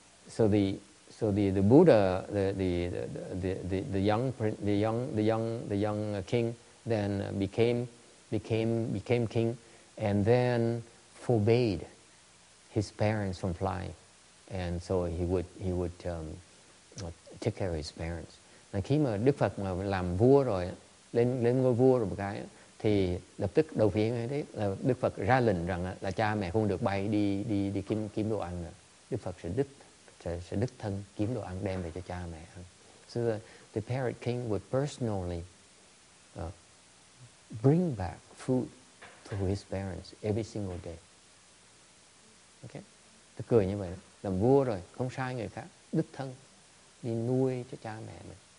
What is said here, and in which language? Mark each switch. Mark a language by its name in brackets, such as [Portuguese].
[English] So the Buddha, the young king, then became king, and then forbade his parents from flying, and so he would take care of his parents. [Vietnamese] Now khi mà Đức Phật mà làm vua rồi, lên ngôi vua rồi một cái, thì lập tức đầu tiên đấy là Đức Phật ra lệnh rằng là cha mẹ không được bay đi kiếm đồ ăn nữa. Đức Phật sẽ đích thân kiếm đồ ăn đem về cho cha mẹ. [English] So the parent king would personally bring back food to his parents every single day. [Vietnamese] Okay, tôi cười như vậy, làm vua rồi không sai người khác, đích thân đi nuôi cho cha mẹ mình.